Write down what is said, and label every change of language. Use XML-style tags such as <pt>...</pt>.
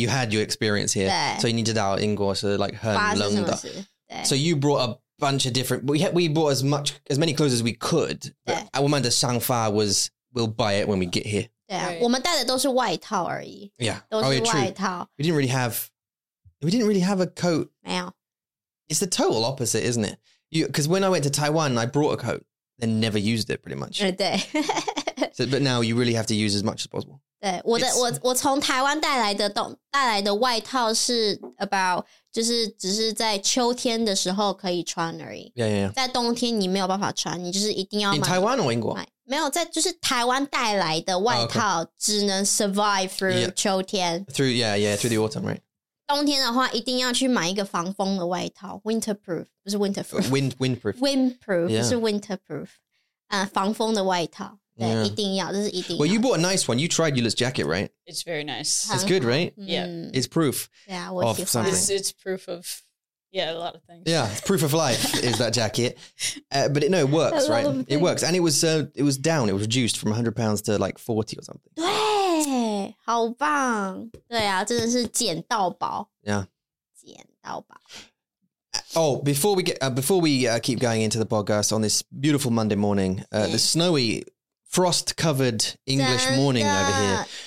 <en>You had your experience here, so you need to dial in. So like her longer. So you brought a bunch of different. We bought as many clothes as we could. But our mind's</en> <zh>想法</zh> <en>was we'll buy it when we get here.</en> <zh>对啊，我们带的都是外套而已.</zh> <en>Yeah,</en> <zh>都是外套.</zh> <en>Oh, yeah, we didn't really have. We didn't really have a coat.</en> <zh>没有.</zh> <en>It's the total opposite, isn't it? Because when I went to Taiwan, I brought a coat and never used it pretty much.</en> <zh>对.</zh> <en>So, but now you really have to use as much as possible.</en> <zh>对，我从台湾带来的外套是 about 就是只是在秋天的时候可以穿而已.</zh> <en>Yeah.</en> <zh>在冬天你没有办法穿，你就是一定要买.</zh> <en>In Taiwan or in Guam?</en> <zh>没有，在就是台湾带来的外套只能</zh> <en>survive through</en> <zh>秋天.</zh> <en>Through the autumn, right?</en> <zh>冬天的话，一定要去买一个防风的外套 ，winterproof 不是</zh> <en>windproof，windproof</en> <zh>防风的外套，对，一定要，这是一定要。</zh> <en>Well, you bought a nice one. You tried Eula's jacket, right? It's very nice. It's good, right? Yeah, it's proof. Yeah, of something. It's proof of a lot of things. Yeah, it's proof of life is that jacket, but it works, right? It works, and it was down. It was reduced from £100 to like 40 or something.</en> <zh>好棒，对啊，真的是捡到宝，捡到宝。</zh> <en>Oh, before we get keep going into the podcast on this beautiful Monday morning, the snowy, frost-covered English morning over here.</en>